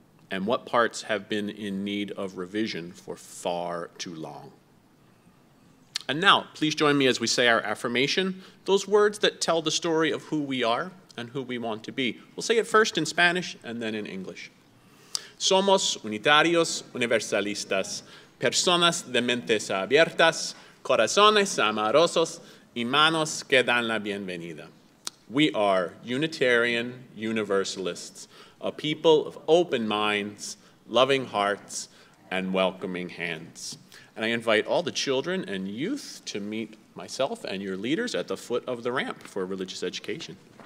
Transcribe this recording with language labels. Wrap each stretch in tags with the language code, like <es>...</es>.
<en>And what parts have been in need of revision for far too long? And now, please join me as we say our affirmation, those words that tell the story of who we are and who we want to be. We'll say it first in Spanish and then in English.</en> <es>Somos unitarios universalistas, personas de mentes abiertas, corazones amorosos y manos que dan la bienvenida.</es> <en>We are Unitarian Universalists, a people of open minds, loving hearts, and welcoming hands. And I invite all the children and youth to meet myself and your leaders at the foot of the ramp for religious education.</en>